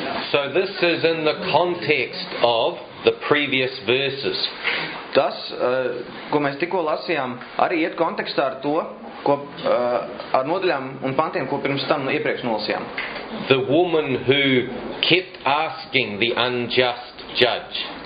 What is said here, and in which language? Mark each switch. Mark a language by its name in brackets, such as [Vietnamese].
[English] So this is in the context of the previous verses. [Latvian] Tas, ko mēs tikko lasījām, arī iet kontekstā ar to, ko ar nodaļām un pantiem, ko pirms tam iepriekš nolasījām. [English] The woman who kept asking the unjust judge.